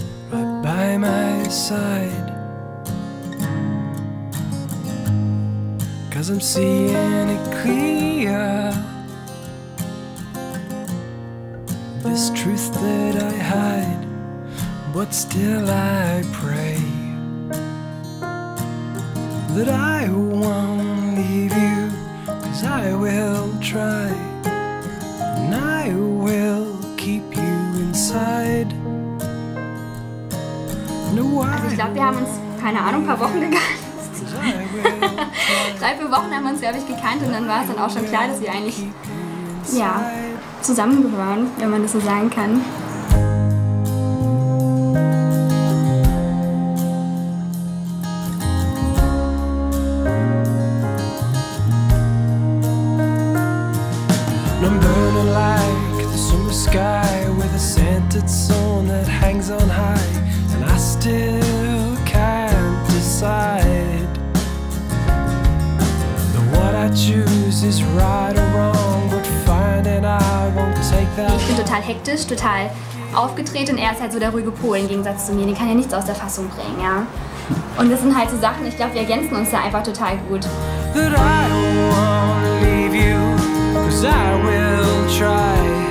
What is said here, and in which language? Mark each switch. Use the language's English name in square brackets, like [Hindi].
[English] By my side, 'cause I'm seeing it clear, this truth that I hide, but still I pray that I won't leave you, 'cause I will try and I will keep you inside. [German] Also ich glaube, wir haben uns, keine Ahnung, ein paar Wochen gekannt. 3-4 Wochen haben wir uns, glaube ich, gekannt und dann war es dann auch schon klar, dass wir eigentlich, ja, zusammengehören, wenn man das so sagen kann. [English] I'm burning like the summer sky with a scented sun that hangs on high. Still can't decide that what I choose is right or wrong, but finding I won't take that. [German] Ich bin total hektisch, total aufgedreht und er ist halt so der ruhige Pol im Gegensatz zu mir. Den kann ja nichts aus der Fassung bringen, ja. Und das sind halt so Sachen, ich glaube, wir ergänzen uns da einfach total gut. [English] But I won't leave you, 'cause I will try.